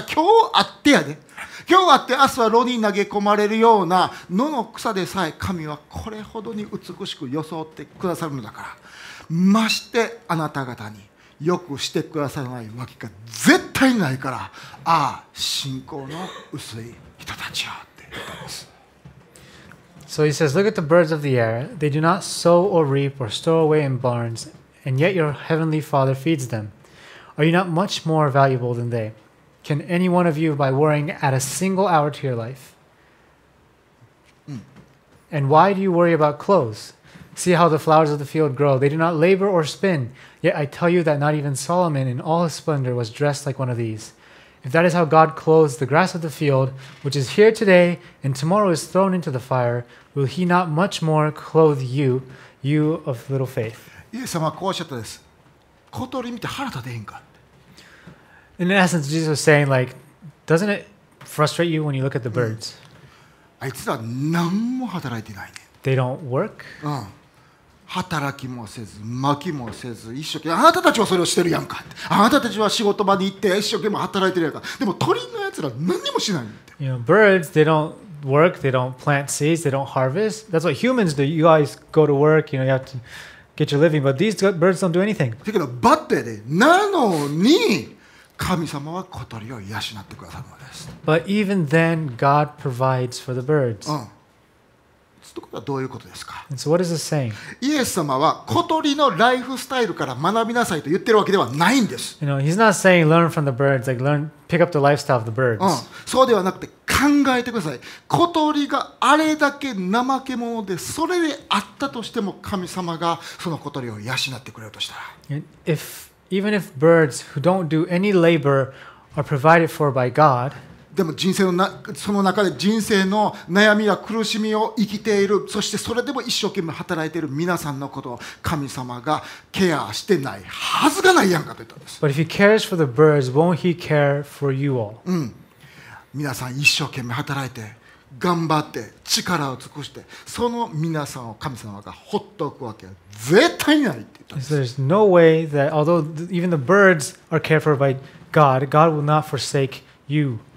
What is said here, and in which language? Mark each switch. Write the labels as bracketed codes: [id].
[ja] 今日あってやで。今日あって明日は炉に投げ込まれるような野の草でさえ、神はこれほどに美しく装ってくださるのだから。ましてあなた方によくしてくださらないわけが絶対ないから、ああ信仰の薄い人たちよって言ったんです。 [en] So he says, look at the birds of the air. They do not sow or reap or store away in barns, and yet your heavenly Father feeds them. Are you not much more valuable than they? Can any one of you, by worrying, add a single hour to your life? And why do you worry about clothes? See how the flowers of the field grow. They do not labor or spin. Yet I tell you that not even Solomon in all his splendor was dressed like one of these. If that is how God clothes the grass of the field, which is here today and tomorrow is thrown into the fire, will he not much more clothe you, you of little faith? [ja] イエス様はこうおっしゃったです。小鳥見て腹立てへんか。 [en] In essence, Jesus was saying like, doesn't it frustrate you when you look at the birds? [ja] あいつら何も働いてないね。 [en] They don't work? うん。 [ja] 働きもせず、巻きもせず、一生懸命、あなたたちはそれをしてるやんか。あなたたちは仕事場に行って、一生懸命働いてるやんか。でも鳥のやつら何にもしないんだ [en] よ。You know, birds, they don't work, they don't plant seeds, they don't harvest. That's what humans do. You guys go to work, you know, you have to get your living, but these birds don't do anything. [ja] だけど、バッテで、なのに、神様は小鳥を養ってくださるのです。 [en] But even then, God provides for the birds.、 [ja] うんということはどういうことですか。 [en] So、what is this saying? [ja] イエス様は小鳥のライフスタイルから学びなさいと言ってるわけではないんです。 [en] You know, he's not saying learn from the birds, like learn, pick up the lifestyle of the birds.、 [ja] うん、そうではなくて考えてください。小鳥があれだけ怠け者でそれであったとしても神様がその小鳥を養ってくれるとしたら。 [en] If, even if birds who don't do any labor are provided for by God, [ja] でも人生のその中で人生の悩みや苦しみを生きている、そしてそれでも一生懸命働いている皆さんのことを神様がケアしてないはずがないやんかと言ったんです。 [en] But if he cares for the birds, won't he care for you all? うん。 [ja] 皆さん一生懸命働いて、頑張って、力を尽くして、その皆さんを神様がほっとくわけは絶対ないって言ったんです。 [en] There's no way that although even the birds are cared for by God, God will not forsake you.